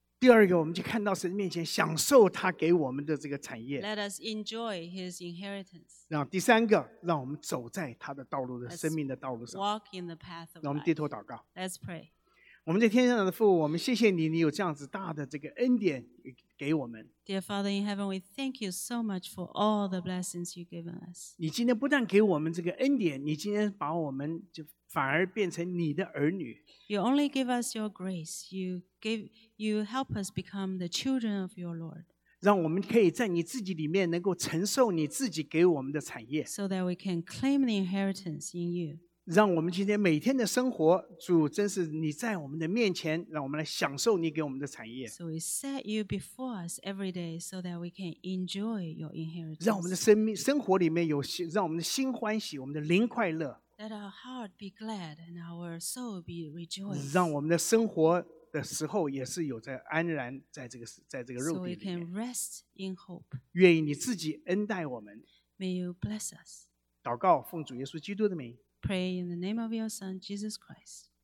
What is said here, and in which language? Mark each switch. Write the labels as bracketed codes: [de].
[zh] 第二个，我们就看到神面前享受他给我们的这个产业。 [en] Let us enjoy his inheritance. [zh] 然后第三个，让我们走在他的道路的生命的道路上。 [en] Walk in the path of life. [zh] 让我们低头祷告。 [en] Let's pray. [zh] 我们在天上的父，我们谢谢你，你有这样子大的这个恩典给我们。 [en] Dear Father in heaven, we thank you so much for all the blessings you've given us. [zh] 你今天不但给我们这个恩典，你今天把我们就反而变成你的儿女。 [en] You only give us your grace. You help us become the children of your Lord. [zh] 让我们可以在你自己里面能够承受你自己给我们的产业。 [en] So that we can claim the inheritance in you. [zh] 让我们今天每天的生活，主真是你在我们的面前，让我们来享受你给我们的产业。 [en] So we set you before us every day so that we can enjoy your inheritance. [zh] 让我们的生活里面有，让我们的心欢喜，我们的灵快乐。 [en] Let our heart be glad and our soul be rejoiced. [zh] 让我们的生活的时候也是有在安然在这个肉体里面。 [en] So we can rest in hope. [zh] 愿意你自己恩待我们。 [en] May you bless us. [zh] 祷告奉主耶稣基督的名。 [en] Pray in the name of your Son, Jesus Christ.